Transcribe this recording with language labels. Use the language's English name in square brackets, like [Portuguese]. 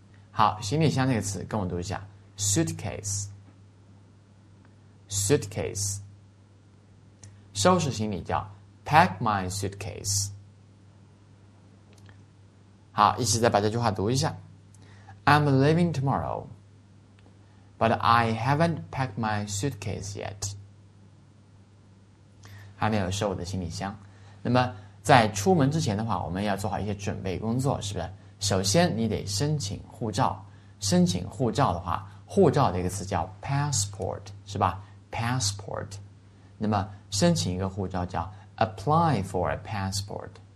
[Chinese] 好，行李箱这个词跟我读一下， suitcase， suitcase， 收拾行李叫 [English] pack my suitcase。 [Chinese] 好，一起再把这句话读一下。 [English] I'm leaving tomorrow, but I haven't packed my suitcase yet. [Chinese] 还没有收我的行李箱。那么在出门之前的话，我们要做好一些准备工作，是不是？首先你得申请护照。申请护照的话，护照这个词叫 passport, 是吧？passport。那么申请一个护照叫 [English] apply for a passport。